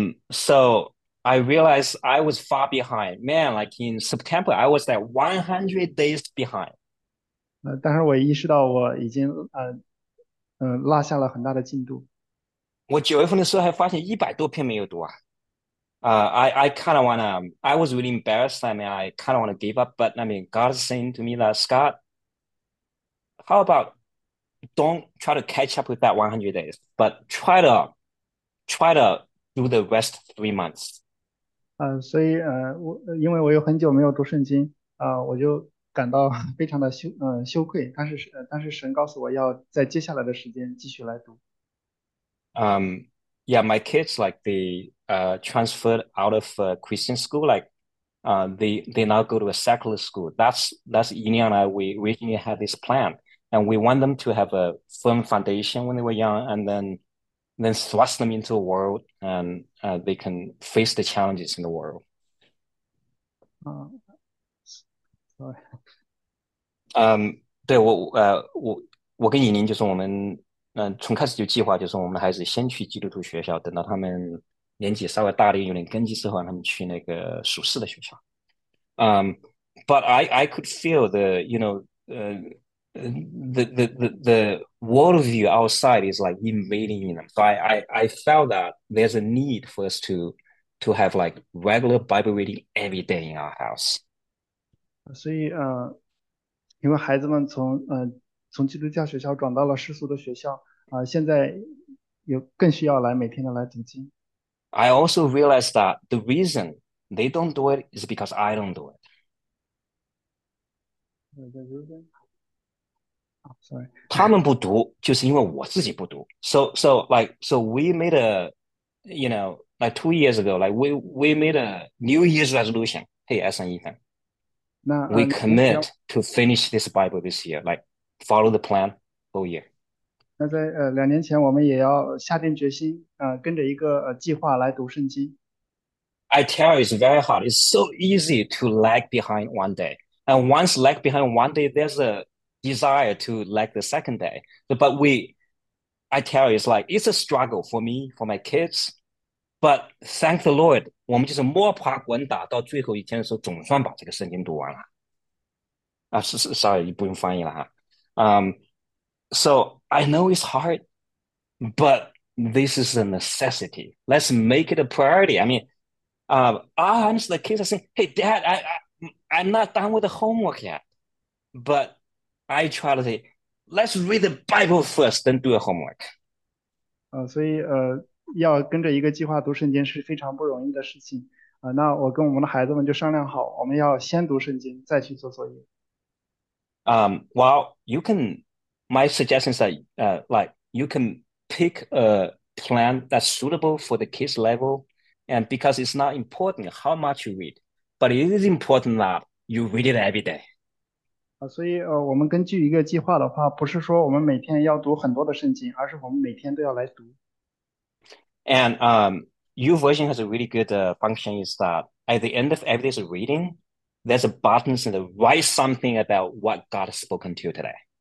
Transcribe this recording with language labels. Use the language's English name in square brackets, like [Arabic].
[English] So I realized I was far behind. Man, like in September, I was like 100 days behind. [Chinese] 但是我意识到我已经落下了很大的进度。我9月份的时候还发现100多篇没有读啊。 [English] I was really embarrassed. I mean, I kind of want to give up, but I mean, God is saying to me that, Scott, how about don't try to catch up with that 100 days, but try to do the rest 3 months. [Chinese] 所以因为我有很久没有读圣经我就感到非常的羞愧，但是神告诉我要在接下来的时间继续来读。 [English] Yeah, my kids like they transferred out of Christian school. Like, they now go to a secular school. That's Yini and I. We originally had this plan, and we want them to have a firm foundation when they were young, and then thrust them into a world, and they can face the challenges in the world. Sorry. [Chinese] 对我跟尹宁就是我们。从开始就计划，就是我们孩子先去基督徒学校，等到他们年纪稍微大了一点，有点根基之后，让他们去那个属世的学校。 [English] But I could feel the worldview outside is like invading in them. So I felt that there's a need for us to have like regular Bible reading every day in our house. [Chinese] 所以，因为孩子们从基督教学校转到了世俗的学校，现在有更需要来每天的来读经。 [English] I also realized that the reason they don't do it is because I don't do Sorry. [Chinese] 他们不读，就是因为我自己不读。 [English] So we made a, you know, like 2 years ago, like we made a New Year's resolution. Hey, S and Ethan, we commit to finish this Bible this year. Like, follow the plan whole year. [Chinese] 那在2年前，我们也要下定决心，跟着一个计划来读圣经。 [English] I tell you, it's very hard. It's so easy to lag behind one day. And once lag behind one day, there's a desire to lag the second day. But I tell you, it's like, it's a struggle for me, for my kids. But thank the Lord, [Chinese] 我们就是摸爬滚打到最后一天的时候，总算把这个圣经读完了。 [English] Sorry, [Chinese] 不用翻译了哈。 [English] So I know it's hard, but this is a necessity. Let's make it a priority. Honestly, the kids are saying, "Hey, Dad, I'm not done with the homework yet." But I try to say, "Let's read the Bible first, then do the homework." [Chinese] 所以要跟着一个计划读圣经是非常不容易的事情啊。那我跟我们的孩子们就商量好，我们要先读圣经，再去做作业。 [English] Well, you can. My suggestion is that, like, you can pick a plan that's suitable for the kids' level. And because it's not important how much you read, but it is important that you read it every day. [Chinese] 所以我们根据一个计划的话，不是说我们每天要读很多的圣经，而是我们每天都要来读。 [English] And your version has a really good function is that at the end of every day's reading, there's a button saying to write something about what God has spoken to you today.